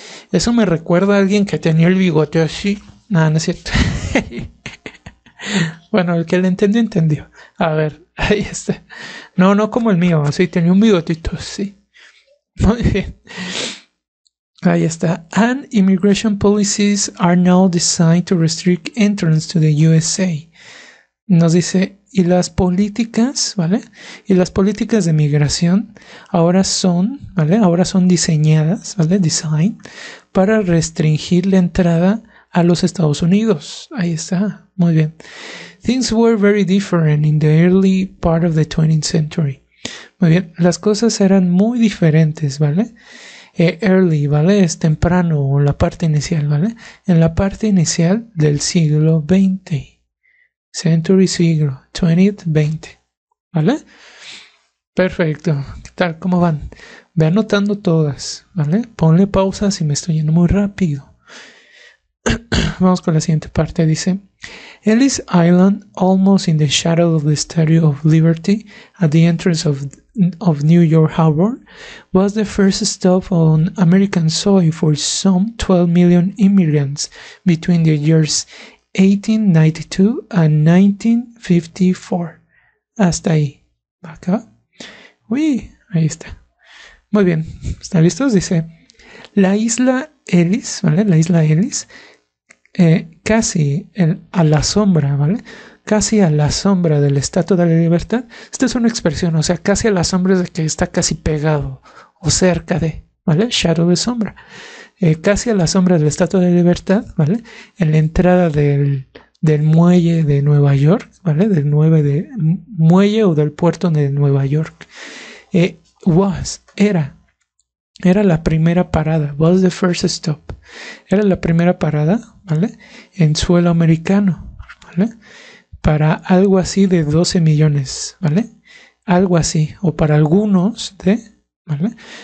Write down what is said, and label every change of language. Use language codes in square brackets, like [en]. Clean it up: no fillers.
[es] Eso me recuerda a alguien que tenía el bigote así. Nada, no es cierto. Bueno, el que le entendió, entendió. A ver, ahí está. No, no como el mío, así tenía un bigotito, sí. Muy bien. Ahí está. [en] And immigration policies are now designed to restrict entrance to the USA. [es] Nos dice, y las políticas, ¿vale? Y las políticas de migración ahora son, ¿vale? Ahora son diseñadas, ¿vale? Design para restringir la entrada a los Estados Unidos. Ahí está. Muy bien. [en] Things were very different in the early part of the 20th century. [es] Muy bien. Las cosas eran muy diferentes, ¿vale? Early, ¿vale? Es temprano o la parte inicial, ¿vale? En la parte inicial del siglo XX. Century, siglo. 20th, 20. ¿Vale? Perfecto. ¿Qué tal? ¿Cómo van? Ve anotando todas, ¿vale? Ponle pausa si me estoy yendo muy rápido. Vamos con la siguiente parte. Dice: [en] Ellis Island, almost in the shadow of the Statue of Liberty, at the entrance of New York Harbor, was the first stop on American soil for some 12 million immigrants between the years 1892 and 1954. [es] Hasta ahí. ¿Acá? Uy, ahí está. Muy bien. ¿Están listos? Dice: La isla Ellis, ¿vale? La isla Ellis. Casi a la sombra, ¿vale? Casi a la sombra de la Estatua de la Libertad. Esta es una expresión, o sea, casi a la sombra de que está casi pegado o cerca de, ¿vale? Shadow de sombra. Casi a la sombra de la Estatua de la Libertad, ¿vale? En la entrada del muelle de Nueva York, ¿vale? Del 9 de muelle o del puerto de Nueva York. Era la primera parada, [en] was the first stop. [es] Era la primera parada, ¿vale? En suelo americano, ¿vale? Para algo así de 12 millones, ¿vale? Algo así, o para algunos de, ¿vale?